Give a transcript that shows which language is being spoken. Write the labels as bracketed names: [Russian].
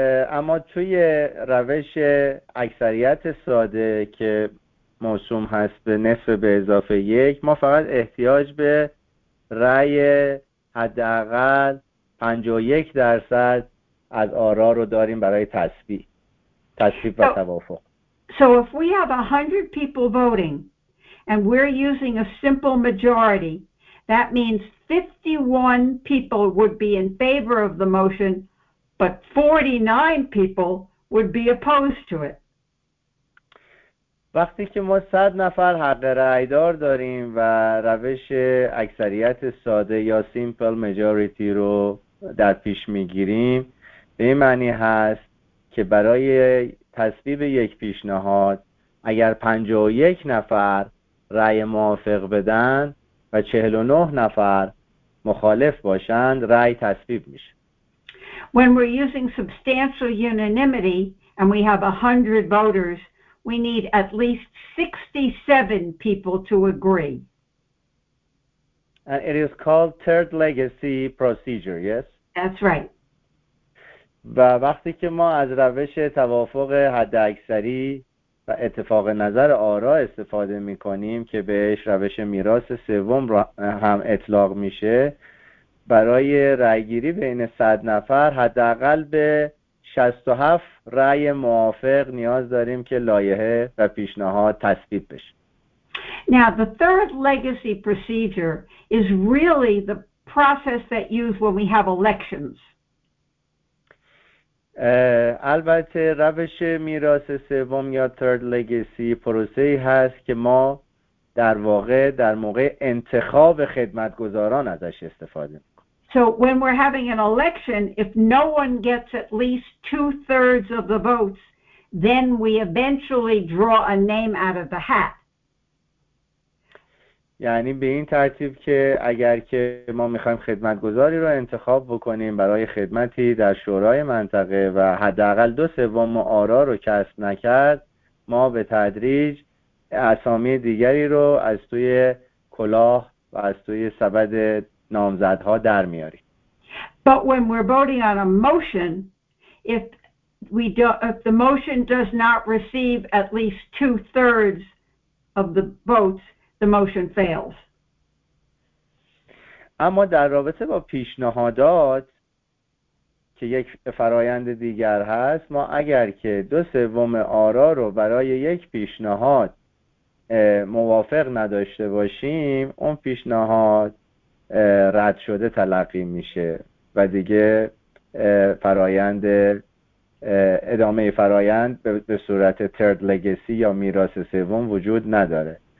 [Persian] اما توی روش اکثریت ساده که موسوم هست به نصف به اضافه یک ما فقط احتیاج به رأی حداقل 51% از آرا رو داریم برای تصویب و توافق. [English] So if we have 100 people voting and we're using a simple majority, that means 51 people would be in favor of the motion, but 49 people would be opposed to it. [Persian] وقتی که ما 100 نفر حق رأی دار داریم و روش اکثریت ساده یا [English] simple majority [Persian] رو در پیش میگیریم به این معنی هست که برای تصویب یک پیشنهاد اگر 51 نفر رأی موافق بدن و 49 نفر مخالف باشند رأی تصویب میشه. [English] When we're using substantial unanimity and we have 100 voters, we need at least 67 people to agree. And it is called third legacy procedure, yes? That's right. [Persian] و وقتی که ما از روش توافق حداکثری و اتفاق نظر آرا استفاده می کنیم که بهش روش میراث سوم هم اطلاق میشه، برای رأی گیری بین 100 نفر حداقل به 67 رأی موافق نیاز داریم که لایحه و پیشنهاد تصویب بشه. [English] Now the third legacy procedure is really the process that used when we have elections. [Persian] البته روش میراث سوم یا [English] third legacy [Persian] پروسه ای هست که ما در واقع در موقع انتخاب خدمتگزاران ازش استفاده میکنیم. [English] So when we're having an election, if no one gets at least 2/3 of the votes, then we eventually draw a name out of the hat. [Persian] یعنی به این ترتیب که اگر که ما میخوایم خدمتگذاری رو انتخاب بکنیم برای خدمتی در شورای منطقه و حداقل 2/3 آرا رو کسب نکرد، ما به تدریج اسامی دیگری رو از توی کلاه و از توی سبد نامزدها در میاری. [English] But when we're voting on a motion, if the motion does not receive at least 2/3 of the votes, the motion fails. [Persian] اما در رابطه با پیشنهادات که یک فرایند دیگر هست، ما اگر که 2/3 آرا رو برای یک پیشنهاد موافق نداشته باشیم، اون پیشنهاد رد شده تلقی میشه و دیگه فرایند ادامه فرایند به صورت [English] third legacy [Persian] یا میراث سوم وجود نداره.